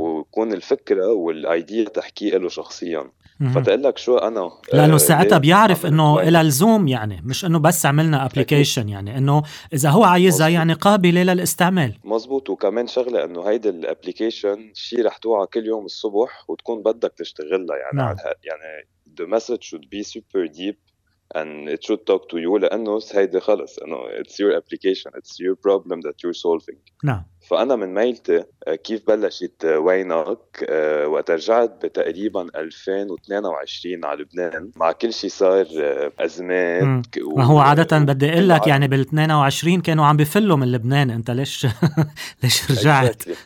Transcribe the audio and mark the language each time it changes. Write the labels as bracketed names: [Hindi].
[Arabic] ويكون الفكرة والأيديا تحكي له شخصيا. فتقلك شو أنا، لأنه ساعتها بيعرف أنه إلى الزوم، يعني مش أنه بس عملنا أبليكيشن، يعني أنه إذا هو عايزها يعني قابلة للاستعمال. مزبوط. وكمان شغلة أنه هيدا الأبليكيشن شي رح توعى كل يوم الصبح وتكون بدك تشتغلها يعني. نعم، [English] يعني the message should be super deep and it should talk to you، [Arabic] لأنه هيدا خلص أنه [English] it's your application، it's your problem that you're solving. [Arabic] نعم. فأنا من ميلتي كيف بلشت وينك، وقت رجعت بتقريبا 2022 على لبنان مع كل شيء صار أزمات. ما هو عادة بدي أقول لك يعني بال22 كانوا عم بفلوا من لبنان، أنت ليش ليش رجعت؟